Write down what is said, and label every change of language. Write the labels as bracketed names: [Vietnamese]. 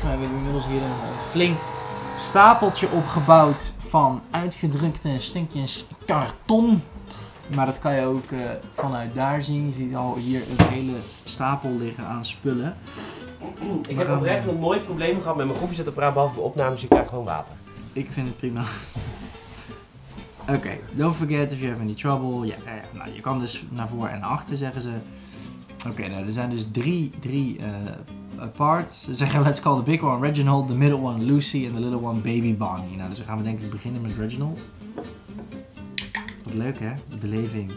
[Dutch] We hebben inmiddels hier een flink stapeltje opgebouwd van uitgedrukte stinkjes karton. Maar dat kan je ook vanuit daar zien. Je ziet al hier een hele stapel liggen aan spullen. Ik heb oprecht nog nooit problemen gehad met mijn koffiezetapparaat, behalve mijn opnames. Ik krijg gewoon water. Ik vind het prima. [English] Oké, don't forget if you have any trouble. [Dutch] Ja, nou, je kan dus naar voren en naar achter, zeggen ze. Oké, nou, er zijn dus drie apart. Ze zeggen, [English] let's call the big one Reginald, the middle one Lucy and the little one Baby Bonnie. [Dutch] Nou, dus dan gaan we denk ik beginnen met Reginald. Leuk hè, de beleving.